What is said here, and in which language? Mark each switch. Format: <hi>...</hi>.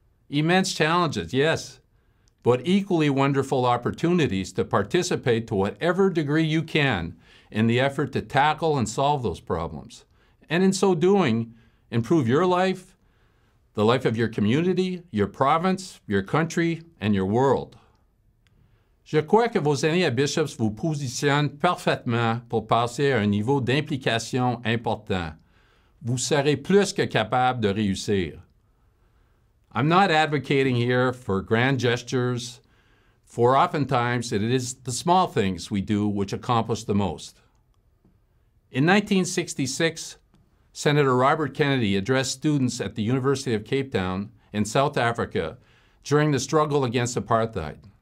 <en>Immense challenges, yes, but equally wonderful opportunities to participate to whatever degree you can in the effort to tackle and solve those problems. And in so doing, improve your life, the life of your community, your province, your country, and your world.</en> <fr>Je crois que vos années à Bishop's vous positionnent parfaitement pour passer à un niveau d'implication important. Vous serez plus que capable de réussir.</fr> <en>I'm not advocating here for grand gestures, for oftentimes it is the small things we do which accomplish the most. In 1966, Senator Robert Kennedy addressed students at the University of Cape Town in South Africa during the struggle against apartheid.</en>